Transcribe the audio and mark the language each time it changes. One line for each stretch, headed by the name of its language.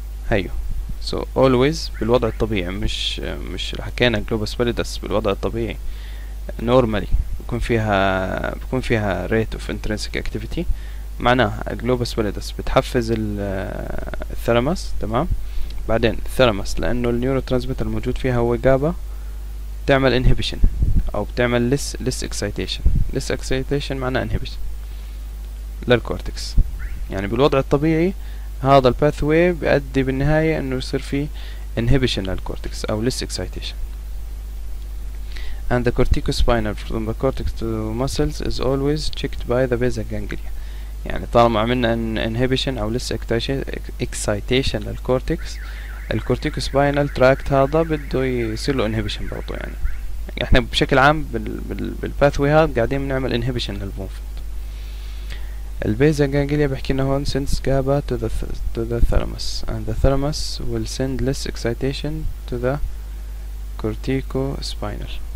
Arabic: هيو،
English: so always
Arabic: بالوضع الطبيعي، مش حكينا جلوبس باليدس بالوضع الطبيعي normally بكون فيها
English: rate of intrinsic activity،
Arabic: معناها الجلوبس باليدس بتحفز الثلمس، تمام، بعدين الثلمس لانه النيورو ترانسميتر الموجود فيها هو جابا بتعمل انهبيشن او بتعمل
English: less excitation. less excitation
Arabic: معناها انهبيشن للكورتكس. يعني بالوضع الطبيعي هذا الباثوي بيؤدي بالنهاية انه يصير في انهبيشن للكورتكس او less excitation.
English: and the corticospinal from the cortex to muscles is always checked by the basal ganglia.
Arabic: يعني طالما عملنا انهبيشن او لسه اكسايتيشن للكورتكس، الكورتيكو سباينال تراكت هذا بده يصير له انهبيشن برضه. يعني احنا بشكل عام بالباثوي هذا قاعدين بنعمل انهبيشن للبونفورد. البيزال جانجليا بحكي لنا هون
English: Sends GABA to the thalamus, and the thalamus will send less excitation to the corticospinal.